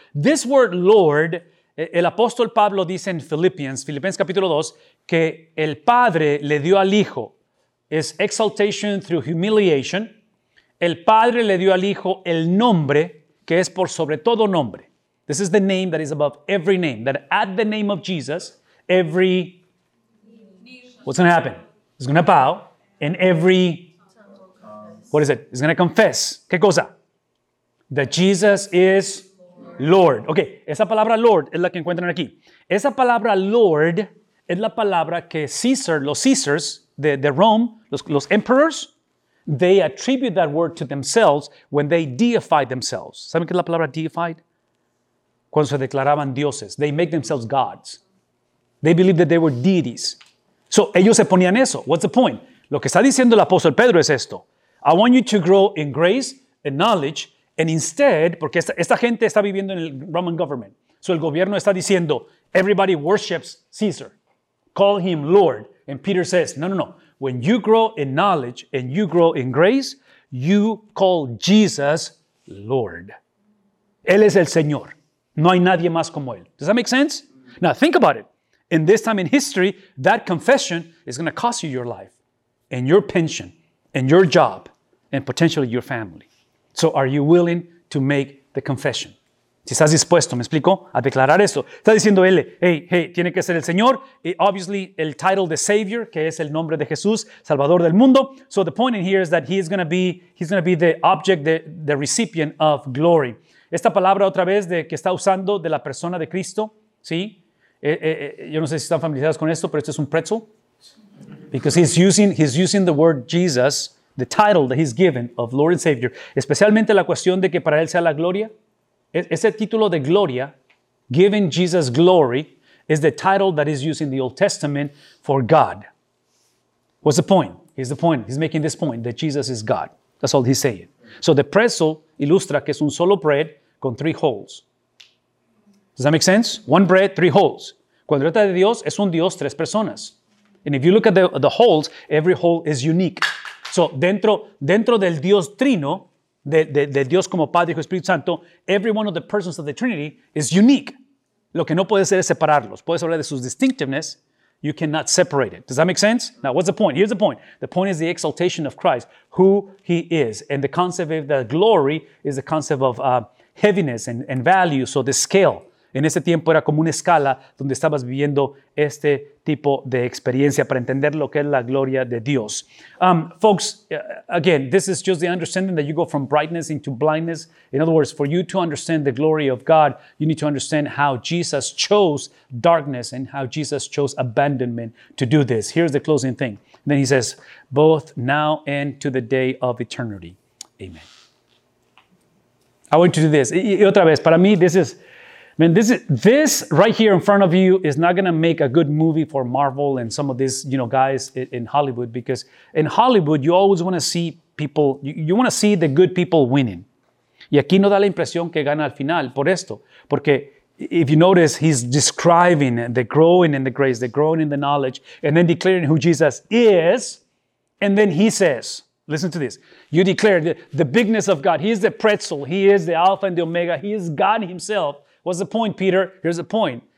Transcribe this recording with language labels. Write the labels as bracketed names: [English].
[Spanish] This word Lord, el apóstol Pablo dice en Filipenses capítulo 2, que el Padre le dio al Hijo, es [English] exaltation through humiliation. [Spanish] El Padre le dio al Hijo el nombre, que es por sobre todo nombre. [English] This is the name that is above every name, that at the name of Jesus, every, what's going to happen? It's going to bow, And every, what is it? It's going to confess. [Spanish] ¿Qué cosa? [English] That Jesus is Lord. [Spanish] Okay, esa palabra Lord es la que encuentran aquí. Esa palabra Lord es la palabra que Caesar, los Caesars de Rome, los emperors, [English] they attribute that word to themselves when they deify themselves. [Spanish] ¿Saben qué es la palabra deified? Cuando se declaraban dioses. [English] They make themselves gods. They believe that they were deities. [Spanish] So ellos se ponían eso. [English] What's the point? [Spanish] Lo que está diciendo el apóstol Pedro es esto. [English] I want you to grow in grace and knowledge. And instead, [Spanish] porque esta gente está viviendo en el Roman government. [English] So [Spanish] el gobierno está diciendo, [English] everybody worships Caesar. Call him Lord. And Peter says, no, no, no. When you grow in knowledge and you grow in grace, you call Jesus Lord. [Spanish] Él es el Señor. No hay nadie más como él. [English] Does that make sense? Now think about it. In this time in history, that confession is going to cost you your life and your pension and your job and potentially your family. So are you willing to make the confession? [Spanish] Si estás dispuesto, ¿me explico? A declarar eso. Está diciendo él, hey, tiene que ser el Señor. Y obviously, el title de Savior, que es el nombre de Jesús, Salvador del mundo. [English] So the point in here is that he's going to be the object, the recipient of glory. [Spanish] Esta palabra otra vez de que está usando de la persona de Cristo, ¿sí? Yo no sé si están familiarizados con esto, pero esto es un pretzel. [English] Because he's using the word Jesus, the title that he's given of Lord and Savior, [Spanish] especialmente la cuestión de que para él sea la gloria. Ese título de gloria, [English] giving Jesus glory, is the title that is used in the Old Testament for God. What's the point? Here's the point. He's making this point that Jesus is God. That's all he's saying. So the pretzel [Spanish] ilustra que es un solo [English] bread con three holes. Does that make sense? One bread, three holes. [Spanish] Cuando trata de Dios, es un Dios, tres personas. [English] And if you look at the holes, every hole is unique. [Spanish] So dentro del Dios trino, de Dios como Padre, Hijo, Espíritu Santo, [English] every one of the persons of the Trinity is unique. [Spanish] Lo que no puede ser es separarlos. Puedes hablar de sus distinctiveness. [English] You cannot separate it. Does that make sense? Now, what's the point? Here's the point. The point is the exaltation of Christ, who he is. And the concept of the glory is the concept of heaviness and value. So the scale. [Spanish] En ese tiempo era como una escala donde estabas viviendo este tipo de experiencia para entender lo que es la gloria de Dios. [English] Folks, again, this is just the understanding that you go from brightness into blindness. In other words, for you to understand the glory of God, you need to understand how Jesus chose darkness and how Jesus chose abandonment to do this. Here's the closing thing. And then he says, both now and to the day of eternity. Amen. I want you to do this. [Spanish] Y otra vez, para mí, [English] this is... Man, this right here in front of you is not going to make a good movie for Marvel and some of these, you know, guys in Hollywood. Because in Hollywood, you always want to see people, you want to see the good people winning. [Spanish] Y aquí no da la impresión que gana al final por esto. [English] Porque if you notice, he's describing the growing in the grace, the growing in the knowledge, and then declaring who Jesus is. And then he says... Listen to this. You declare the bigness of God. He is the pretzel. He is the Alpha and the Omega. He is God himself. What's the point, Peter? Here's the point.